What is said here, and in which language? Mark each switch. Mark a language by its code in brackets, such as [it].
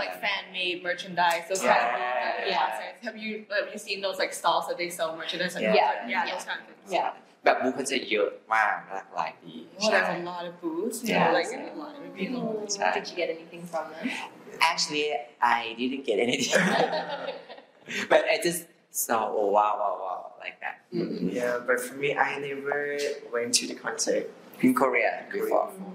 [en] like fan made merchandise those kind of yeah have you seen those like stalls that they sell merchandise like yeah those kind of yeah [th] แบบบูธเขาจะเยอะมากหลากหลายดี [en] there's a lot of booths like in the line did you get anything from them Actually, I didn't get anything, but I just saw wow, like that. Mm-hmm. Yeah, but for me, I never went to the concert in Korea before,